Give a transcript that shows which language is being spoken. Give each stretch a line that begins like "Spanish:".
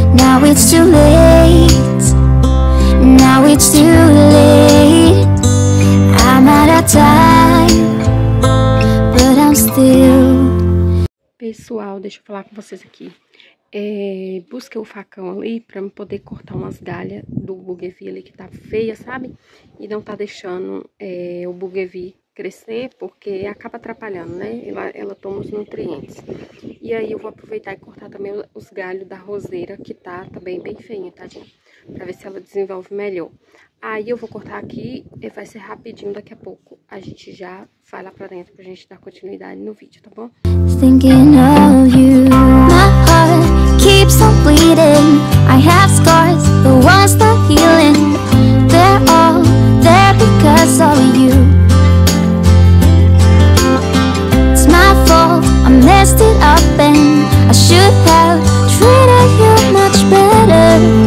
English: Now it's too late, now it's too late. I'm out of time, but I'm still.
Portuguese: Pessoal, deixa eu falar com vocês aqui. Busquei o facão ali pra eu poder cortar umas galhas do buguevi que tá feia, sabe? E não tá deixando o buguevi crescer, porque acaba atrapalhando, né? Ela toma os nutrientes. E aí eu vou aproveitar e cortar também os galhos da roseira, que tá também bem feinho, tadinho. Pra ver se ela desenvolve melhor. Aí eu vou cortar aqui e vai ser rapidinho, daqui a pouco a gente já vai lá pra dentro pra gente dar continuidade no vídeo, tá bom?
English: Thinking of you, my heart keeps on bleeding. I have scars, the ones that healing. They're all there because of you. It's my fault, I messed it up and I should have treated you much better.